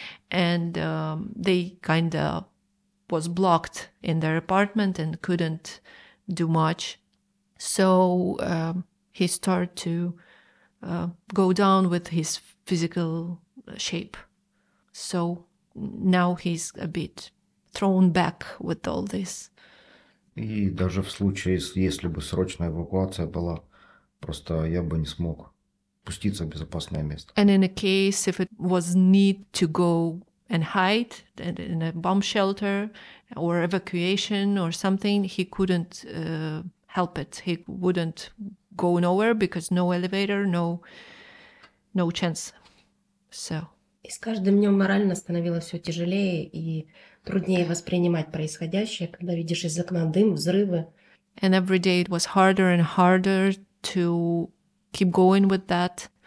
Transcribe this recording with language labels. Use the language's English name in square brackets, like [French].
[English] And they kind of was blocked in their apartment and couldn't do much. So he started to go down with his physical shape. So now he's a bit thrown back with all this. [Russian] І даже в случае, если бы срочная эвакуация была, просто я бы не смог пуститься в безопасное место. [English] And in a case, if it was need to go and hide in a bomb shelter or evacuation or something, he couldn't help it. He wouldn't go nowhere because no elevator, no chance. So. [Russian] И с каждым днем морально становилось все тяжелее и труднее воспринимать происходящее, когда видишь из окна дым, взрывы. [English] And every day it was harder and harder to keep going with that.